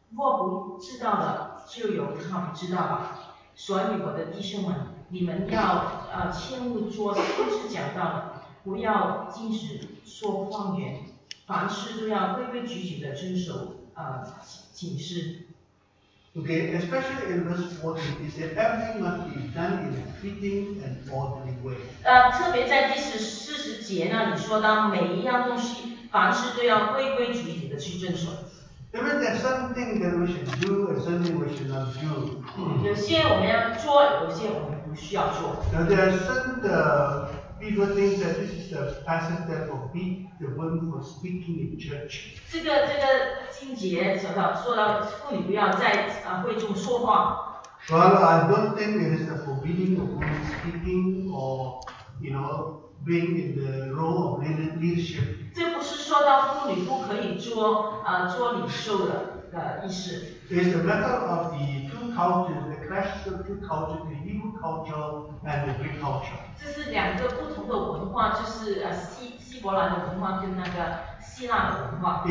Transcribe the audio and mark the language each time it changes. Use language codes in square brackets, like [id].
[zh] 若不知道的，就由他们知道吧。所以我的弟兄们，你们要切勿做先知讲道，不要禁止说谎言，凡事都要规规矩矩的遵守谨示。 [en] Okay, especially in verse 14, it says everything must be done in a fitting and orderly way. [zh] 特别在第十四十节那里说到每一样东西，凡事都要规规矩矩的去遵守。 [en] There are certain things that we should do and certain things we should not do. [zh] 有些我们要做，有些我们不需要做。 [en] Now there are certain people think that this is the passage that will be the one for speaking in church. [zh] 这个经节说到妇女不要在会众说话。 [en] Well, I don't think it is the forbidding of women speaking or, you know, being in the role of leadership. [zh] 这不是说到妇女不可以做领袖的。 [en] It's a matter of the two cultures, the clash of two cultures, the Hebrew culture and the Greek culture. [zh] 这是两个不同的文化，就是希伯来的文化跟那个希腊的文化。